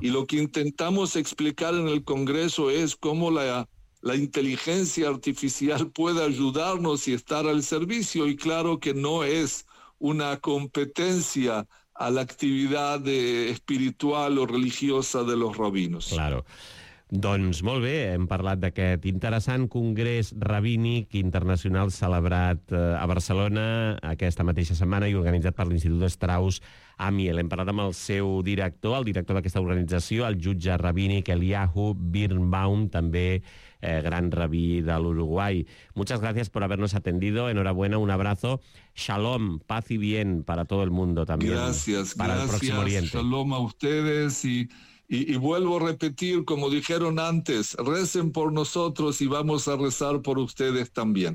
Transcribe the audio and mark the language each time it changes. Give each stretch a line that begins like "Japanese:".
Spanish: Y lo que intentamos explicar en el Congreso es cómo la inteligencia artificial puede ayudarnos y estar al servicio, y claro que no es una competencia a la actividad espiritual o religiosa de los rabinos. Claro.
Catalan: Doncs molt bé, hem parlat d'aquest interessant congrés rabínic internacional celebrat a Barcelona aquesta mateixa setmana i organitzat per l'Institut Strauss Amiel. Hem parlat amb el seu director, el director d'aquesta organització, el jutge rabínic Eliyahu Birnbaum, també gran rabí de l'Uruguai.
Spanish: Muchas gracias por habernos atendido. Enhorabuena, un abrazo. Shalom, paz y bien para todo el mundo también. Gracias, para gracias. El próximo Oriente. Shalom a ustedes y vuelvo a repetir, como dijeron antes, recen por nosotros y vamos a rezar por ustedes también.